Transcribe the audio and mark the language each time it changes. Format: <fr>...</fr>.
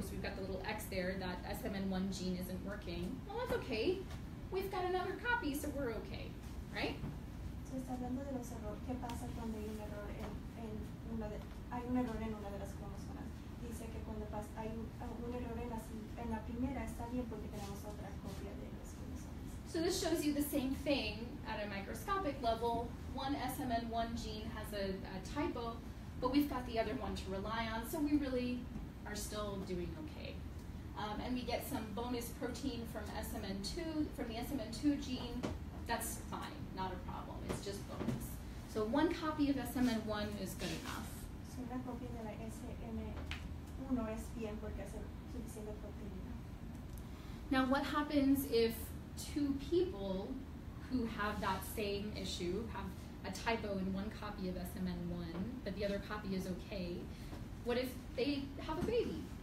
<en>So we've got the little X there, that SMN1 gene isn't working. Well, that's okay. We've got another copy, so we're okay, right?</en> <es>So está hablando de los errores. ¿Qué pasa cuando hay un error en una de las cromosomas? Dice que cuando hay un error en la primera, está bien porque tenemos otra copia de los cromosomas.</es> <en>So this shows you the same thing at a microscopic level. One SMN1 gene has a typo, but we've got the other one to rely on, so we really are still doing okay. And we get some bonus protein from SMN2, from the SMN2 gene. That's fine, not a problem, it's just bonus. So one copy of SMN1 is good enough.</en> <es>So una copia de la SMN1 es bien porque hace suficiente proteína.</es> <en>Now what happens if two people who have that same issue have a typo in one copy of SMN1, but the other copy is okay? What if they have a baby?</en>